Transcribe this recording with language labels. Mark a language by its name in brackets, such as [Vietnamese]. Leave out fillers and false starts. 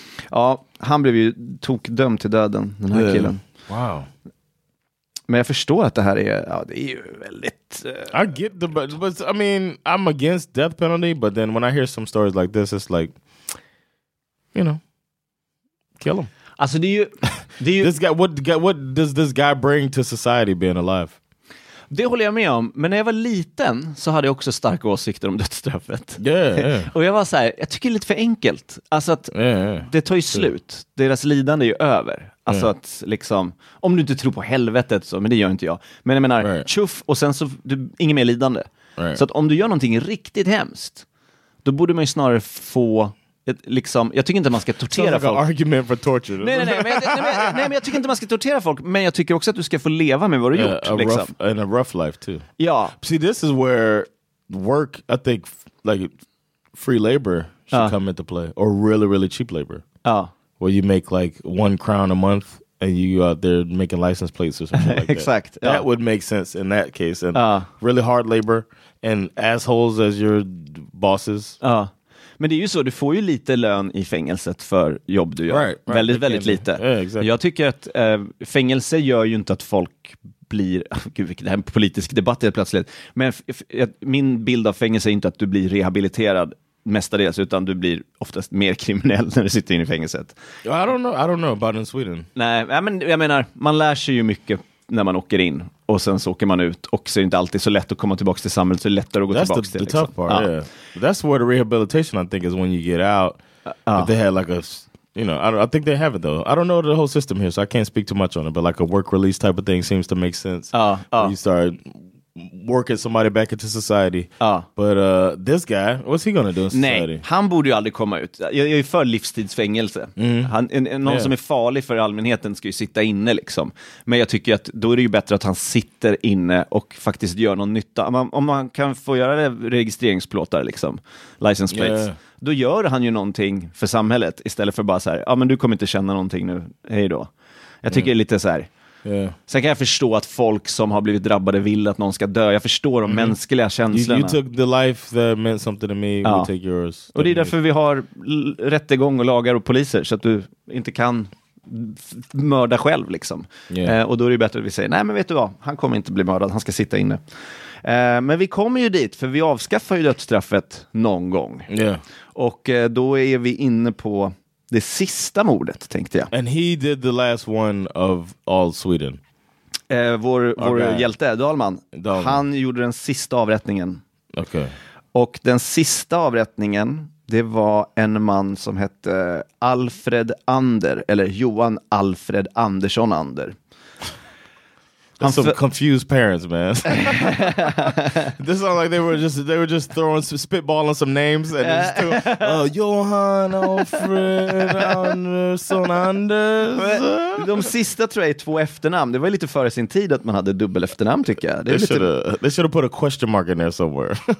[Swedish] Ja, han blev ju tokdömd till döden, den här killen. Wow. Men jag förstår att det här är... Ja, det är ju väldigt... [English] I get the... But I mean, I'm against death penalty, but then when I hear some stories like this, it's like... You know. Kill him. Alltså, do you this guy, what does this guy bring to society being alive? [Swedish] Det håller jag med om. Men när jag var liten så hade jag också starka åsikter om dödsstraffet. [English] Yeah. [Swedish] Och jag var så här, jag tycker det är lite för enkelt. Alltså att det tar ju slut. Deras lidande är ju över. Alltså att liksom, om du inte tror på helvetet så, men det gör inte jag. Men jag menar, tjuff, och sen så, du, ingen mer lidande. Så att om du gör någonting riktigt hemskt, då borde man ju snarare få... Ett, liksom, jag tycker inte man ska tortera folk. [English] Argument for torture. [Swedish] Nej, men jag tycker inte man ska tortera folk, men jag tycker också att du ska få leva med vad du gjort [English] liksom. In a rough life too. [Swedish] Ja. [English] See, this is where work, I think, like free labor should come into play, or really really cheap labor. Where you make like one crown a month and you out there making license plates or something like that. [Swedish] Exakt. [English] That would make sense in that case, and really hard labor and assholes as your bosses. [Swedish] Men det är ju så, du får ju lite lön i fängelset för jobb du gör. [English] Right, [Swedish] väldigt, väldigt lite. [English] Yeah, exactly. [Swedish] Jag tycker att fängelse gör ju inte att folk blir... Gud, det här är en politisk debatt helt plötsligt. Men min bild av fängelse är inte att du blir rehabiliterad mestadels, utan du blir oftast mer kriminell när du sitter inne i fängelset. [English] I don't know about in Sweden. [Swedish] Nej, men jag menar, man lär sig ju mycket när man åker in. Och sen så åker man ut. Och så är det inte alltid så lätt att komma tillbaka till samhället. Så är det lättare att gå [English] That's [Swedish] tillbaka [English] the, [Swedish] till. [English] That's the liksom. Tough part, yeah. That's where the rehabilitation, I think, is when you get out. But they had like a, you know, I think they have it though. I don't know the whole system here, so I can't speak too much on it. But like a work release type of thing seems to make sense. You start working somebody back into society. But this guy, what's he gonna do in society? [Swedish] Nej, han borde ju aldrig komma ut. Jag är ju för livstidsfängelse. Någon som är farlig för allmänheten ska ju sitta inne liksom. Men jag tycker att då är det ju bättre att han sitter inne och faktiskt gör någon nytta. Om man kan få göra det, registreringsplåtar liksom, license plates, då gör han ju någonting för samhället istället för bara så här: ja, men du kommer inte känna någonting nu, hej då. Jag tycker det är lite så här. [English] Yeah. [Swedish] Sen kan jag förstå att folk som har blivit drabbade vill att någon ska dö. Jag förstår de mänskliga känslorna. [English] You took the life that meant something to me, we take yours. [Swedish] Och det är därför vi har rättegång och lagar och poliser, så att du inte kan mörda själv liksom. Och då är det bättre att vi säger: nej, men vet du vad, han kommer inte bli mördad, han ska sitta inne. Men vi kommer ju dit, för vi avskaffar ju dödsstraffet någon gång. Och då är vi inne på det sista mordet, tänkte jag. [English] And he did the last one of all Sweden. [Swedish] Vår hjälte, Dahlman. Han gjorde den sista avrättningen. [English] Okay. [Swedish] Och den sista avrättningen, det var en man som hette Alfred Ander. Eller Johan Alfred Andersson Ander. [English] Han some confused parents, man. This sounds like they were just throwing some spitballing some names and just too, Johan Alfred Andersson Anders. [Swedish] De sista tror jag är två efternamn. Det var lite före sin tid att man hade dubbel efternamn, tycker jag. Det är [English] they should have put a question mark in there somewhere.